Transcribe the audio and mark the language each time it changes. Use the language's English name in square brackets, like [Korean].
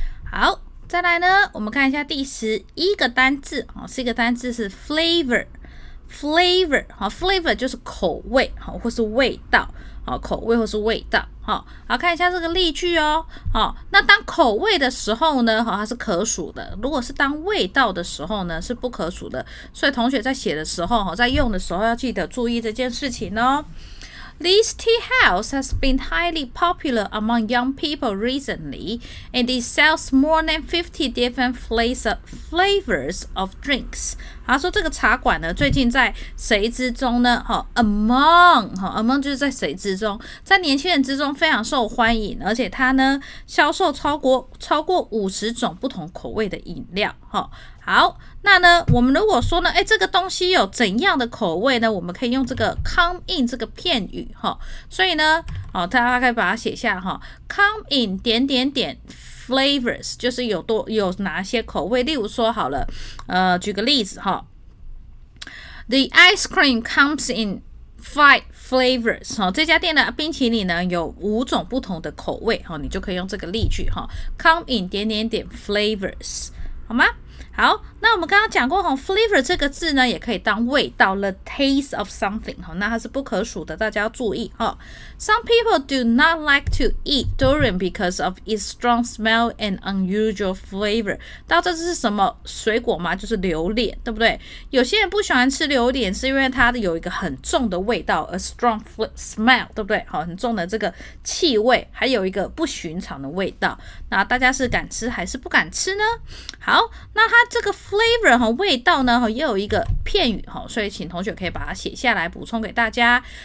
[Chinese] 好，再来呢我们看一下第十一个单字，是一个单字是 flavor， 好 ，flavor 就是口味，好，或是味道，好，口味或是味道，好，好，看一下这个例句哦，好，那当口味的时候呢，好，它是可数的，如果是当味道的时候呢，是不可数的，所以同学在写的时候，在用的时候要记得注意这件事情哦。 [English] This tea house has been highly popular among young people recently, and it sells more than 50 different flavors of drinks. [Chinese] 他说这个茶馆呢，最近在谁之中呢？Among 就是在谁之中，在年轻人之中非常受欢迎，而且他呢，销售超过50种不同口味的饮料。好，那呢我们如果说呢，这个东西有怎样的口味呢，我们可以用这个 come in 这个片语，所以呢大家可以把它写下 come in 点点点 flavors， 就是有哪些口味，例如说好了，举个例子， [English] The ice cream comes in five flavors， [Chinese] 这家店的冰淇淋呢有五种不同的口味，你就可以用这个例句 come in 点点点 flavors， 好吗？好，那我们刚刚讲过 flavor 这个字呢也可以当味道 [English] the taste of something， [Chinese] 那它是不可数的，大家要注意。 [English] Some people do not like to eat durian because of its strong smell and unusual flavor。 [Chinese] 到这是什么水果吗？就是榴莲，对不对？有些人不喜欢吃榴莲是因为它有一个很重的味道 [English] a strong smell， [Chinese] 对不对？很重的这个气味，还有一个不寻常的味道，那大家是敢吃还是不敢吃呢？好，那它这个 flavor 味道呢，也有一个片语，所以请同学可以把它写下来补充给大家。